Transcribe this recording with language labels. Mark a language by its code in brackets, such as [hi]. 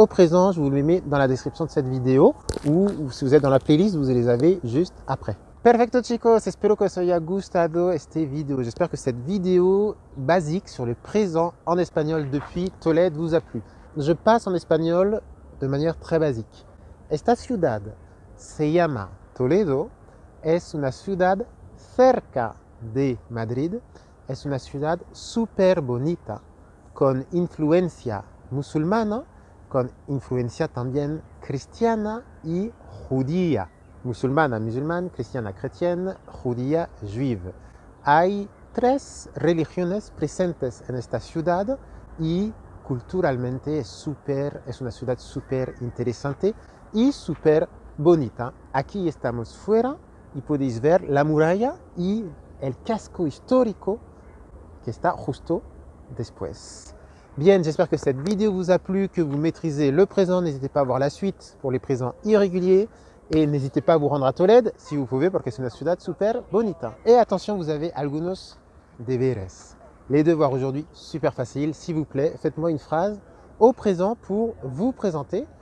[fr] Au présent, je vous les mets dans la description de cette vidéo ou si vous êtes dans la playlist, vous les avez juste après. [es] Perfecto chicos, espero que os haya gustado este video. [fr] J'espère que cette vidéo basique sur le présent en espagnol depuis Tolède vous a plu. Je passe en espagnol de manière très basique. [es] Esta ciudad se llama Toledo. Es una ciudad cerca de Madrid. Es una ciudad super bonita, con influencia musulmana, con influencia también cristiana y judía. Musulmana, [fr] musulmane, [es] cristiana, [fr] chrétienne, [es] judía, [fr] juive. [es] Hay tres religiones presentes en esta ciudad y culturalmente es una ciudad super interesante y super bonita. Aquí estamos fuera y podéis ver la muralla y el casco histórico que está justo después. [fr] Bien, j'espère que cette vidéo vous a plu, que vous maîtrisez le présent. N'hésitez pas à voir la suite pour les présents irréguliers. Et n'hésitez pas à vous rendre à Tolède si vous pouvez, parce que c'est une [es] ciudad super bonita. [fr] Et attention, vous avez [es] algunos deberes. [fr] Les devoirs aujourd'hui, [es] super faciles. [fr] S'il vous plaît, faites-moi une phrase au présent pour vous présenter.